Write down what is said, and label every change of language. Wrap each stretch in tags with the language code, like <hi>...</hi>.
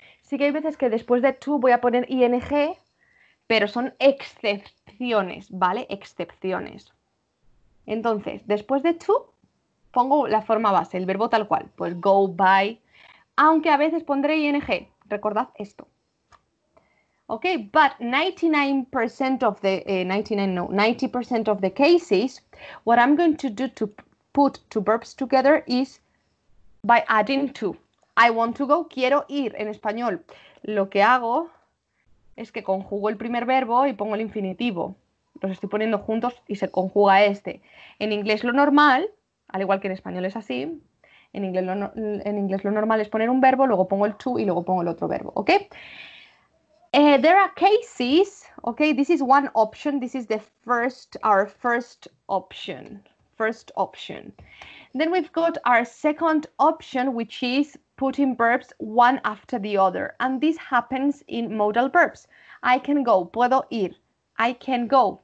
<es>Sí que hay veces que después de to voy a poner ing, pero son excepciones, ¿vale? Excepciones. Entonces, después de to, pongo la forma base, el verbo tal cual, pues go, by, aunque a veces pondré ing, recordad esto.</es> <en>Ok, but 99% of the, 90% of the cases, what I'm going to do to put two verbs together is by adding to. I want to go,</en> <es>quiero ir, en español. Lo que hago es que conjugo el primer verbo y pongo el infinitivo. Los estoy poniendo juntos y se conjuga este. En inglés lo normal, al igual que en español es así, en inglés lo normal es poner un verbo, luego pongo el to y luego pongo el otro verbo, ¿ok?</es> <en>There are cases, ¿ok? This is one option, this is the first, our first option. First option. Then we've got our second option, which is putting verbs one after the other. And this happens in modal verbs. I can go,</en> <es>puedo ir.</es> <en>I can go.</en>